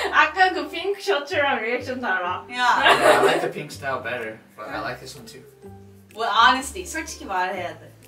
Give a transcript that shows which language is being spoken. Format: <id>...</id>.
<ko>아까 그 핑크 셔츠랑 리액션 달라.</ko> <en>Yeah. Yeah, I like the pink style better, but I like this one too. Well, honestly,</en> <ko>솔직히 말해야 돼.</ko>